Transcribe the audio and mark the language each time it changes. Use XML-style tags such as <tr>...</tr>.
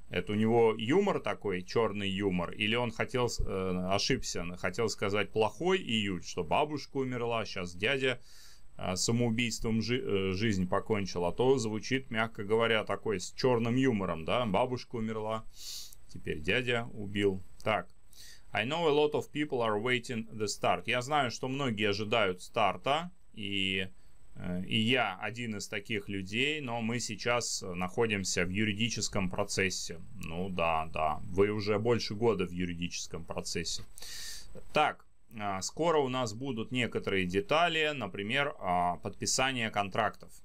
<ru>Это у него юмор такой, черный юмор? Или он хотел сказать плохой июль, что бабушка умерла, сейчас дядя самоубийством жизнь покончил? А то звучит, мягко говоря, такой с черным юмором, да? Бабушка умерла, теперь дядя убил. Так.</ru> <en>I know a lot of people are waiting the start.</en> <ru>Я знаю, что многие ожидают старта, и я один из таких людей, но мы сейчас находимся в юридическом процессе. Ну да, да, вы уже больше года в юридическом процессе. Так, скоро у нас будут некоторые детали, например, подписание контрактов.</ru>